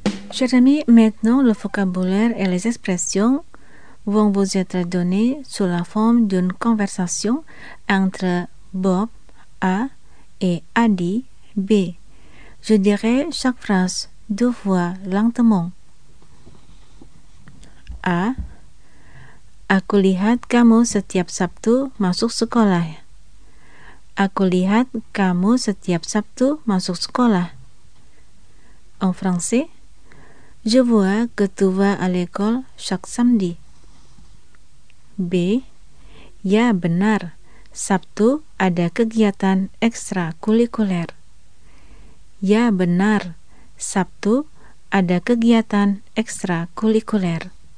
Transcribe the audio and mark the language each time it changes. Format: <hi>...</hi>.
<fr>Chers amis, maintenant le vocabulaire et les expressions vont vous être donnés sous la forme d'une conversation entre Bob, A, et Adi, B. Je dirai chaque phrase deux fois lentement. A.</fr> <id>Aku lihat kamu setiap Sabtu masuk sekolah. Aku lihat kamu setiap Sabtu masuk sekolah.</id> <fr>En français, je vois que tu vas à l'école chaque samedi.</fr> <id>B. Ya benar, Sabtu ada kegiatan ekstrakurikuler. Ya benar, Sabtu ada kegiatan ekstrakurikuler.</id>